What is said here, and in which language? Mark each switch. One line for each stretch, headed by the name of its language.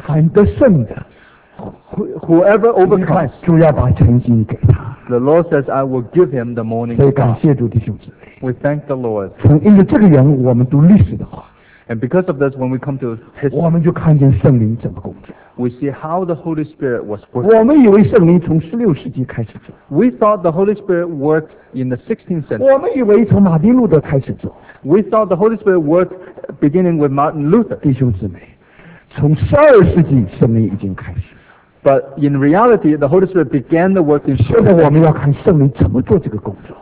Chinese: 喊得胜者。
English: Whoever overcomes,
Chinese: 主要把晨星给他。
English: The Lord says, I will give him the morning star.
Chinese: 所以感谢主弟兄姊妹。
English: We thank the Lord.
Chinese: 因为这个缘故，我们读历史的话。
English: And because of this, when we come to history,
Chinese: 我们就看见圣灵怎么工作。
English: We see how the Holy Spirit was working.
Chinese: 我们以为圣灵从十六世纪开始做。
English: We thought the Holy Spirit worked in the 16th century.
Chinese: 我们以为从马丁路德开始做。
English: We thought the Holy Spirit worked beginning with Martin Luther.
Chinese: 弟兄姊妹，从十二世纪圣灵已经开始。
English: But in reality, the Holy Spirit began the work in church.
Chinese: 现在我们要看圣灵怎么做这个工作。